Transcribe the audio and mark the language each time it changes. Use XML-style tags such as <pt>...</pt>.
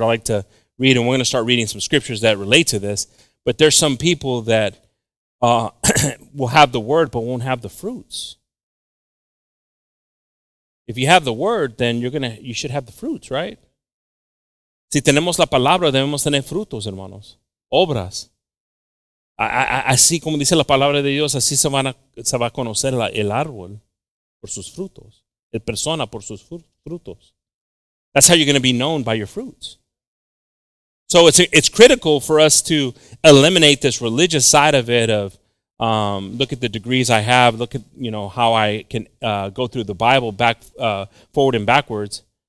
<en>I like to read, and we're going to start reading some scriptures that relate to this. But there's some people that will have the word but won't have the fruits. If you have the word, then you should have the fruits, right?</en> <es>Si tenemos la palabra, debemos tener frutos, hermanos. Obras. Así como dice la palabra de Dios, así se va a conocer el árbol por sus frutos. El persona por sus frutos.</es> <en>That's how you're going to be known, by your fruits. So it's critical for us to eliminate this religious side of it, of look at the degrees I have, look at, you know, how I can go through the Bible back, forward and backwards.</en>